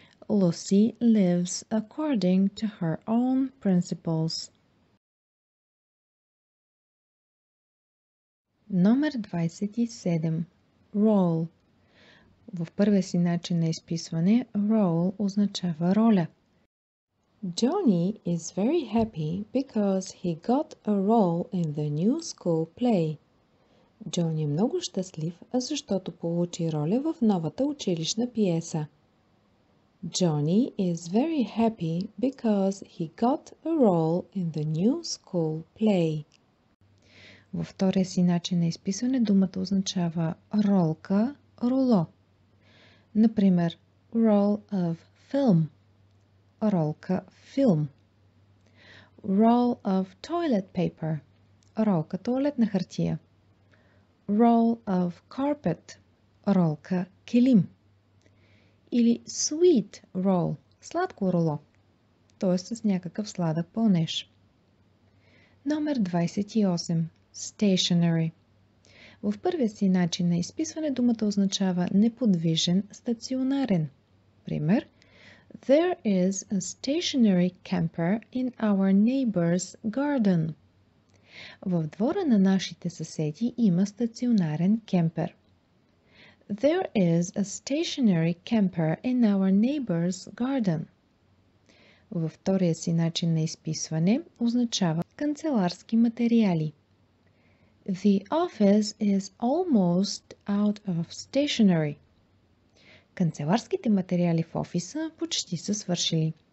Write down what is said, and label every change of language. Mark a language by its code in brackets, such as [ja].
[en] Lucy lives according to her own principles. [bg] Номер 27. Role. В първия си начин на изписване, role означава роля. [en] Johnny is very happy because he got a role in the new school play. [bg] Джони е много щастлив, защото получи роля в новата училищна пиеса. [en] Johnny is very happy because he got a role in the new school play. [bg] Във втория си начин на изписване думата означава ролка, руло. Например, [en] role of film. [bg] Ролка филм. [en] Roll of toilet paper. [bg] Ролка туалетна хартия. [en] Roll of carpet. [bg] Ролка килим. Или [en] sweet roll. [bg] Сладко роло. Тоест с някакъв сладък пълнеж. Номер 28. Stationary. В първия си начин на изписване думата означава неподвижен, стационарен. Пример. [en] There is a stationary camper in our neighbor's garden. [bg] В двора на нашите съседи има стационарен кемпер. [en] There is a stationary camper in our neighbor's garden. [bg] Във втория си начин на изписване означава канцеларски материали. [en] The office is almost out of stationery. [bg] Канцеларските материали в офиса почти са свършили.